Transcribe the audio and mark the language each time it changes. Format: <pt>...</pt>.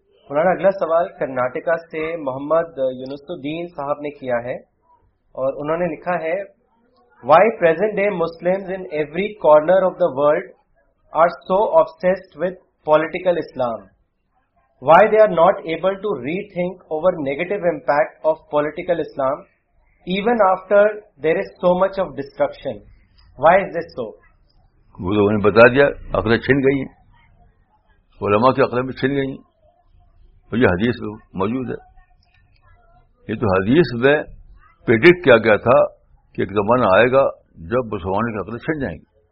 <ur>مولانا اگلا سوال کرناٹکا سے محمد یونس الدین صاحب نے کیا ہے, اور انہوں نے لکھا ہے</ur> <en>Why present day Muslims in every corner of the world are so obsessed with political Islam? Why they are not able to rethink over negative impact of political Islam even after there is so much of destruction? Why is this so?</en> <ur>وہ لوگوں نے بتا دیا, عقلیں چھن گئی ہیں, علماء کی عقلیں بھی چھن گئی ہیں. یہ حدیث موجود ہے, یہ تو حدیث میں پریڈکٹ کیا گیا تھا کہ ایک زمانہ آئے گا جب مسلمانوں کی عقلیں چھن جائیں گی.</ur>